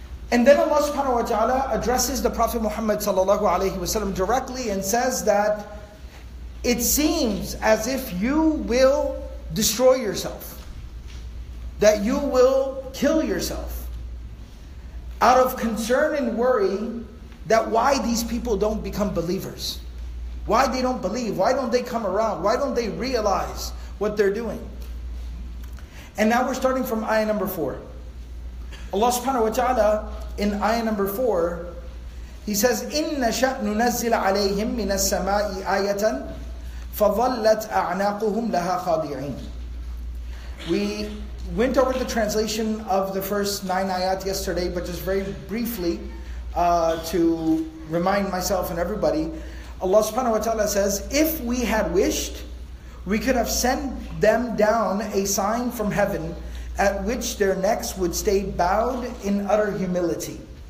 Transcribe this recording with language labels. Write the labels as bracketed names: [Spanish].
[English] And then Allah subhanahu wa ta'ala addresses the Prophet Muhammad sallallahu alayhi wa sallam directly and says that it seems as if you will destroy yourself, that you will kill yourself out of concern and worry that why these people don't become believers. Why they don't believe? Why don't they come around? Why don't they realize what they're doing? And now we're starting from ayah number 4. Allah subhanahu wa ta'ala, in ayah number 4, He says, [Arabic] إِنَّ شَأْ نُنَزِّلَ عَلَيْهِمْ مِنَ السَّمَاءِ آيَةً فَظَلَّتْ أَعْنَاقُهُمْ لَهَا خَاضِعِينَ. [English] We went over the translation of the first 9 ayat yesterday, but just very briefly to remind myself and everybody. Allah subhanahu wa ta'ala says, if we had wished, we could have sent them down a sign from heaven at which their necks would stay bowed in utter humility.